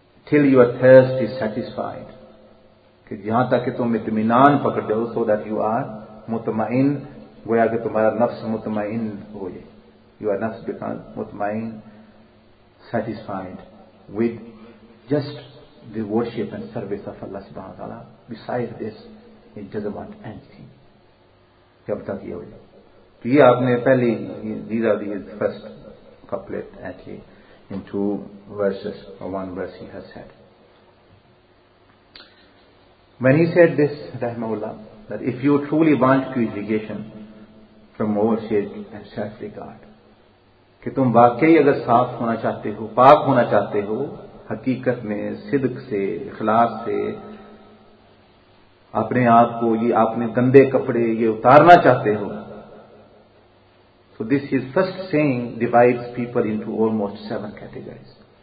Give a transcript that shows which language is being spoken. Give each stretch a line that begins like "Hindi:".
English: till your thirst is satisfied,
Urdu: کہ جہاں تک کہ تم اطمینان پکڑ دو,
English: so that you are مطمئن,
Urdu: گویا کہ تمہارا نفس مطمئن ہو جائے,
English: Your نفس become مطمئن satisfied with just the worship and service of Allah subhanahu wa ta'ala. Besides this, it doesn't want anything.
Urdu: Jab tak ye hoye. To ye aapne pehle,
English: these are the first couplet actually, in two verses, or one verse he has said. When he said this, Rahmahullah, that if you truly want purification from overshade and self-regard,
Urdu: کہ تم واقعی اگر صاف ہونا چاہتے ہو, پاک ہونا چاہتے ہو حقیقت میں, صدق سے, اخلاص سے اپنے آپ کو, یہ اپنے گندے کپڑے یہ اتارنا چاہتے ہو,
English: So this is first thing divide people into almost seven categories.